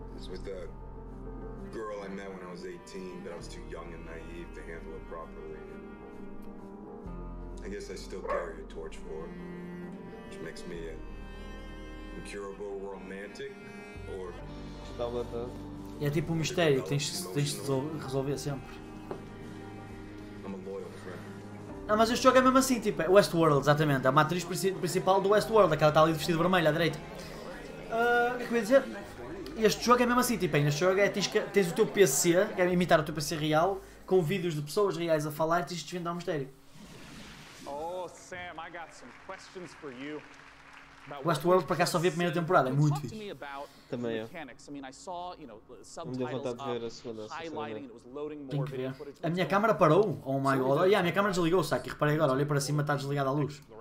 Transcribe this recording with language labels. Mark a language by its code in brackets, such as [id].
[en] With a girl I met when I was 18, but I was too young and naive to handle it properly. And I guess I still carry a torch for it, which makes me an incurable romantic, or... [pt] E é tipo um mistério que tens de resolver sempre. Não, mas este jogo é mesmo assim, tipo, é Westworld, exatamente. É uma atriz principal do Westworld, aquela que está ali de vestido vermelho à direita. O que eu ia dizer? Este jogo é mesmo assim, tipo, neste jogo é, tens o teu PC, que é imitar o teu PC real, com vídeos de pessoas reais a falar, tens de desvendar um mistério. [en] Oh, Sam, I got some questions for you. [pt] Westworld, por acaso, só vi a primeira temporada, é muito fixe. Também é. Me deu vontade de ver a segunda, sinceramente. Tem que ver. A minha câmera parou? [en] Oh my god. Yeah, [pt] a minha câmera desligou, saque. Reparei agora, olhei para cima, está desligada a luz.